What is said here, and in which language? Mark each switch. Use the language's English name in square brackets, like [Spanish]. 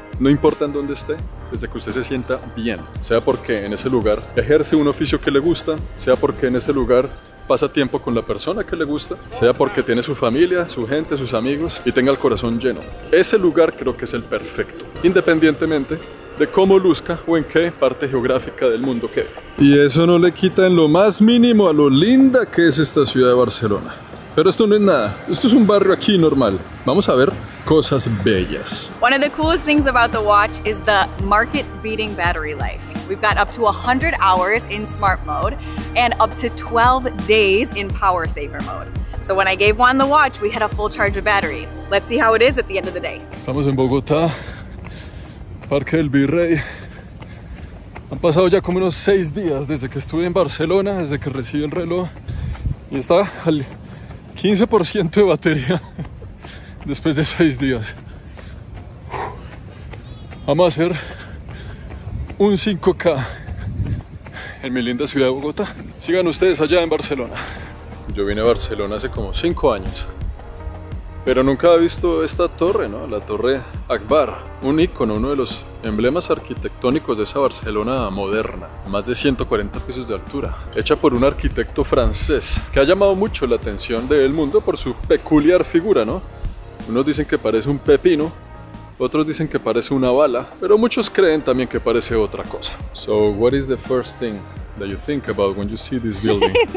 [Spanish] No importa en dónde esté, desde que usted se sienta bien. Sea porque en ese lugar ejerce un oficio que le gusta, sea porque en ese lugar pasa tiempo con la persona que le gusta, sea porque tiene su familia, su gente, sus amigos y tenga el corazón lleno. Ese lugar creo que es el perfecto, independientemente de cómo luzca o en qué parte geográfica del mundo quede. Y eso no le quita en lo más mínimo a lo linda que es esta ciudad de Barcelona. Pero esto no es nada, esto es un barrio aquí normal. Vamos a ver cosas bellas. [English] One of the coolest things about the watch is the market beating battery life. We've got up to 100 hours in smart mode and up to 12 days in power saver mode. So when I gave Juan the watch, we had a full charge of battery. Let's see how it is at the end of the day. [Spanish] Estamos en Bogotá, Parque del Virrey. Han pasado ya como unos 6 días desde que estuve en Barcelona, desde que recibí el reloj, y está al 15% de batería después de 6 días. Vamos a hacer un 5K en mi linda ciudad de Bogotá. Sigan ustedes allá en Barcelona. Yo vine a Barcelona hace como 5 años, pero nunca había visto esta torre, ¿no? La Torre Agbar, un ícono, uno de los emblemas arquitectónicos de esa Barcelona moderna, más de 140 pisos de altura, hecha por un arquitecto francés que ha llamado mucho la atención del mundo por su peculiar figura, ¿no? Unos dicen que parece un pepino, otros dicen que parece una bala, pero muchos creen también que parece otra cosa. [English] So, what is the first thing that you think about when you see this building?